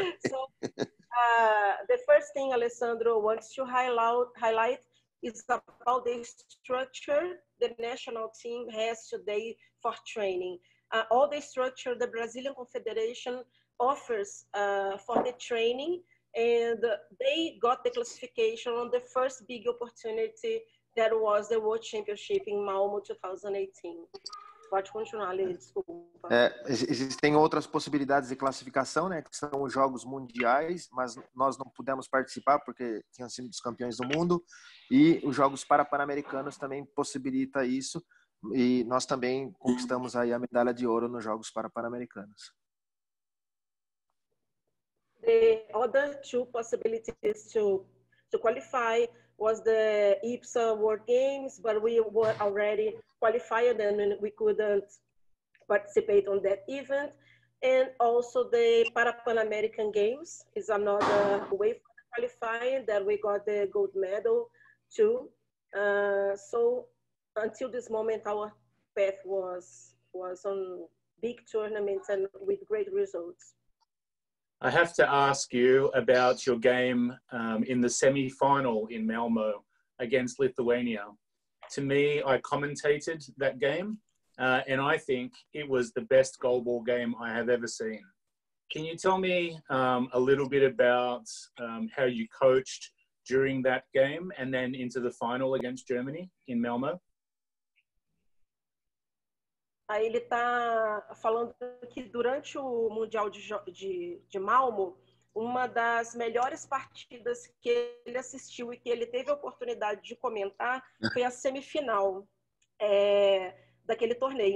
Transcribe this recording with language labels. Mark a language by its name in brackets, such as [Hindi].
[English] So, the first thing Alessandro wants to highlight is about the structure the national team has today for training. All the structure the Brazilian Confederation offers for the training, and they got the classification on the first big opportunity that was the World Championship in Malmo 2018. [Portuguese] Pode continuar, desculpa. Existem outras possibilidades de classificação, né, que são os Jogos Mundiais, mas nós não pudemos participar porque tínhamos sido os campeões do mundo, e os Jogos Pan-Americanos também possibilita isso, e nós também conquistamos aí a medalha de ouro nos Jogos Pan-Americanos. [English] The other two possibilities to qualify was the IPSA World Games, but we were already qualified and we couldn't participate on that event. And also the Pan-American Games is another way for qualifying that we got the gold medal too. So until this moment, our path was on big tournaments and with great results. I have to ask you about your game in the semi-final in Malmo against Lithuania. To me, I commentated that game, and I think it was the best goal ball game I have ever seen. Can you tell me a little bit about how you coached during that game and then into the final against Germany in Malmo? [Portuguese] Aí ele está falando que durante o Mundial de Malmo, uma das melhores partidas que ele assistiu e que ele teve a oportunidade de comentar foi a semifinal daquele torneio.